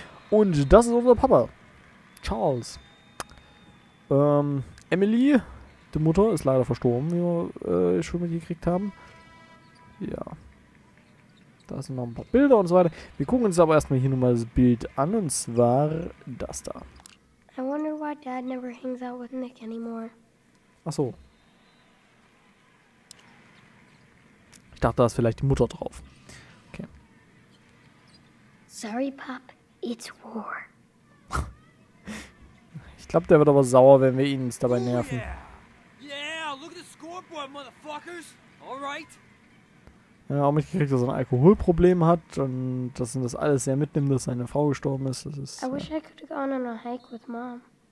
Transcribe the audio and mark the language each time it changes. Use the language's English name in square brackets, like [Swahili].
[German] Und das ist unser Papa, Charles. Emily, die Mutter, ist leider verstorben, wie wir schon mitgekriegt haben. Ja. Da sind noch ein paar Bilder und so weiter. Wir gucken uns aber erstmal hier nochmal das Bild an, und zwar das da. [English] I wonder why Dad never hangs out with Nick anymore. [German] Ach so. Ich dachte, da ist vielleicht die Mutter drauf. Okay. [English] Sorry, Pop, it's war. [German] Ich glaube, der wird aber sauer, wenn wir ihn dabei nerven. [English] Yeah, look at the scoreboard, motherfuckers. All right. [German] Ja, auch mitgekriegt, dass er ein Alkoholproblem hat und dass ihn das alles sehr mitnimmt, dass seine Frau gestorben ist. Das ist [English] I wish I could go on a hike with Mom.